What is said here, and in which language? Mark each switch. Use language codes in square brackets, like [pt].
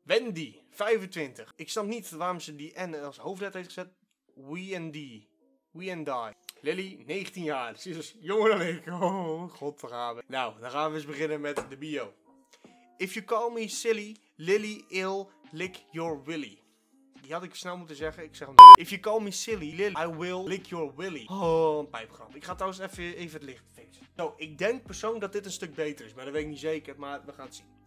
[nl] Wendy, 25. Ik snap niet waarom ze die N als hoofdletter heeft gezet. We and die. We and die. Lily, 19 jaar. Ze is dus jonger dan ik. Oh, god, daar gaan we. Nou, dan gaan we eens beginnen met de bio. [en] If you call me silly, Lily ill, lick your willy. [nl] Die had ik snel moeten zeggen. Ik zeg hem. [en] If you call me silly, Lily, I will lick your willy. [nl] Oh, een pijpgrap. Ik ga trouwens even het licht fixen. Zo, ik denk persoonlijk dat dit een stuk beter is. Maar dat weet ik niet zeker, maar we gaan het zien.